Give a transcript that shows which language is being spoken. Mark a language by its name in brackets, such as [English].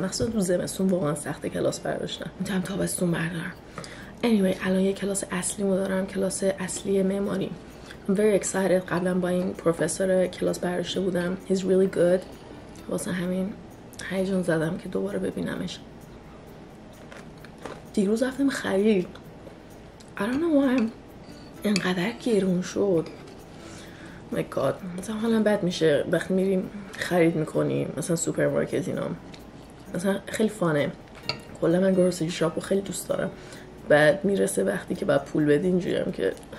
[Persian] مخصوصا تو زمستون واقعا سخت کلاس برداشتم. میتونم تابستون بردارم. [English] anyway, [Persian] الان یه کلاس اصلیمو دارم. کلاس اصلی معماری. [English] I'm very excited. [Persian] قبلا با این پروفسور کلاس برداشته بودم. [English] He's really good. [Persian] واسه همین هیجان زدم که دوباره ببینمش. دیروز رفتم خرید. [English] I don't know why [Persian] اینقدر گرون شد. [English] My God. [Persian] مثلا حالا بد میشه وقتی میریم خرید میکنی مثلا سوپرمارکت اینا. مثلا خیلی فانه. کلا من گروسری شاپو خیلی دوست دارم. بعد میرسه وقتی که باید پول بدی اینجوری هم که